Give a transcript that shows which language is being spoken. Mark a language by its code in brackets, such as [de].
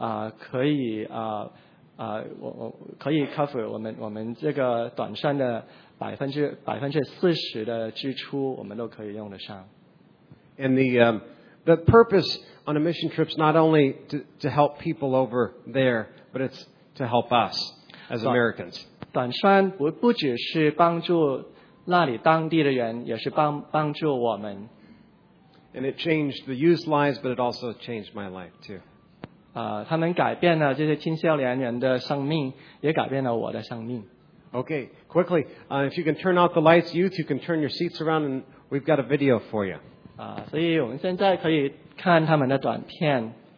[zh] 我们也谢谢你们，因为你们在财务上真的帮忙我们很多。这个你们所赚出来的钱，可以cover 我们这个短暂的 40%的支出我们都可以用得上。 [en] And the purpose on a mission trip is not only to help people over there, but it's to help us as Americans. [zh] 短川不只是帮助那里当地的人，也是帮助我们。 [en] And it changed the youth's lives, but it also changed my life too. [zh] 他们改变了这些青少年人的生命，也改变了我的生命。 [en] Okay, quickly, if you can turn out the lights, youth, you can turn your seats around, and we've got a video for you. [zh] 所以我们现在可以看他们的短片。